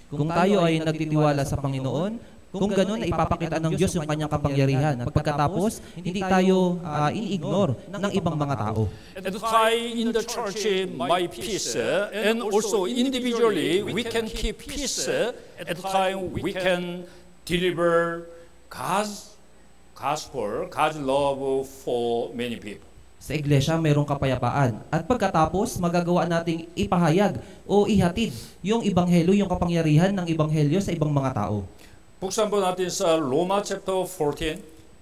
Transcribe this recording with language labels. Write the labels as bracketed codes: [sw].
[tl] Kung tayo ay nagtitiwala sa Panginoon, kung ganun ay ipapakita ng Diyos yung kanyang kapangyarihan. At pagkatapos, hindi tayo i-ignore ng ibang mga tao. [en] Edify in the church my peace and also individually we can keep peace at the time we can deliver God's gospel, God's love for many people. [tl] Sa iglesia, mayroong kapayapaan. At pagkatapos, magagawa nating ipahayag o ihatid yung ebanghelyo, yung kapangyarihan ng ebanghelyo sa ibang mga tao. Buksan po natin sa Roma chapter 14.